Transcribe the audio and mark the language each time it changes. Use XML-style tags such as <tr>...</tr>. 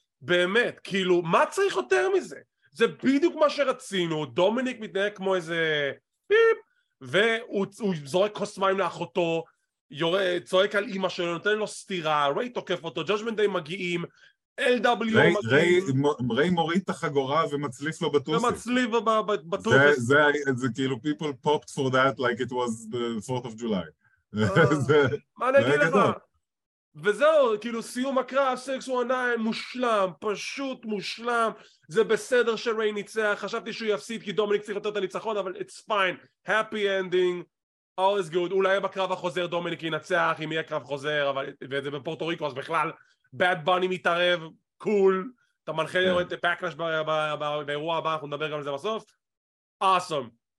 <he>באמת, כאילו, מה צריך יותר מזה? זה בדיוק מה שרצינו, דומיניק מתנהג כמו איזה פיפ, והוא זורק כוס מים לאחותו, צועק על אמא שלו, נותן לו סטירה, ריי תוקף אותו, ג'אג'מנט דיי מגיעים, LW מגיעים. ריי מוריד את החגורה ומצליף לו בטוסי. ומצליף לו בטוסי. זה כאילו,</he> <en>people popped for that like it was the 4th of July.</en> <he>מה נגיד לך? וזהו, כאילו סיום הקרב, 619, מושלם, פשוט מושלם, זה בסדר שריי ניצח, חשבתי שהוא יפסיד כי דומיניק צריך לתת את הניצחון, אבל</he> <en>it's fine, happy ending, all is good,</en> <he>אולי בקרב החוזר דומיניק ינצח, אם יהיה קרב חוזר, וזה בפורטו ריקו, אז בכלל, bad bunny מתערב, cool, אתה מנחה את backlash באירוע הבא, אנחנו נדבר גם על זה בסוף, awesome.</he>